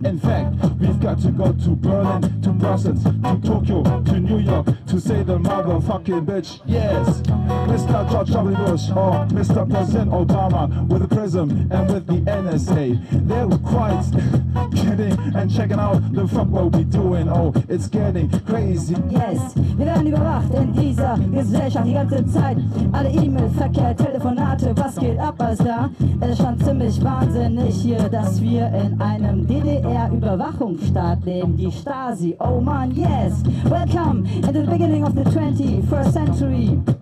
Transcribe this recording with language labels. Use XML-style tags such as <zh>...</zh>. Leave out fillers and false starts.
<en>In fact, we've got to go to Berlin, to Brussels, to Tokyo, to New York, to say the motherfucking bitch, yes. Mr. George W. Bush or Mr. President Obama with a PRISM and with the NSA, they were quite kidding and checking out the fuck what we doing. Oh, it's getting crazy.</en> <de>Yes, wir werden überwacht in dieser Gesellschaft die ganze Zeit. Alle E-Mail-Verkehr, Telefonate, was geht ab, was da? Es ist schon ziemlich wahnsinnig hier, dass wir in einem DDR-Überwachungsstaat leben, die Stasi.</de> <en>Oh man, yes, welcome in the beginning of the 21st century.</en>